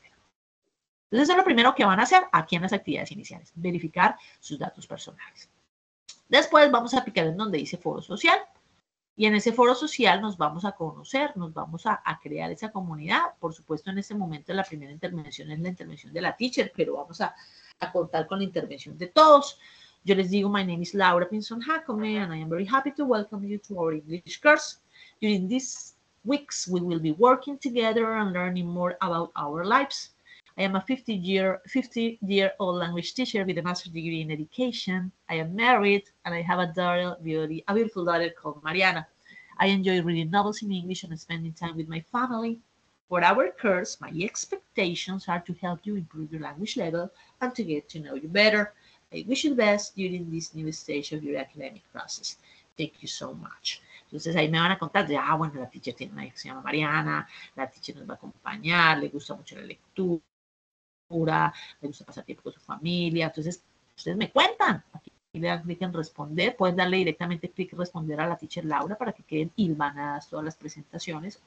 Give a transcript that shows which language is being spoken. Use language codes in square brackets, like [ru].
[es] Entonces, eso es lo primero que van a hacer aquí en las actividades iniciales, verificar sus datos personales. Después vamos a picar en donde dice foro social. Y en ese foro social nos vamos a conocer, nos vamos a crear esa comunidad. Por supuesto, en este momento la primera intervención es la intervención de la teacher, pero vamos a contar con la intervención de todos. Yo les digo, [en] my name is Laura Pinson-Jacome, and I am very happy to welcome you to our English course. During these weeks, we will be working together and learning more about our lives. I am a 50-year-old language teacher with a master's degree in education. I am married and I have a beautiful daughter called Mariana. I enjoy reading novels in English and spending time with my family. For our course, my expectations are to help you improve your language level and to get to know you better. I wish you the best during this new stage of your academic process. Thank you so much. [es] Entonces ahí me van a contar, de, bueno, la teacher tiene una hija que se llama Mariana, la teacher nos va a acompañar, le gusta mucho la lectura, le gusta pasar tiempo con su familia. Entonces, ustedes me cuentan. Aquí le dan clic en responder. Pueden darle directamente clic en responder a la teacher Laura para que queden hilvanadas todas las presentaciones.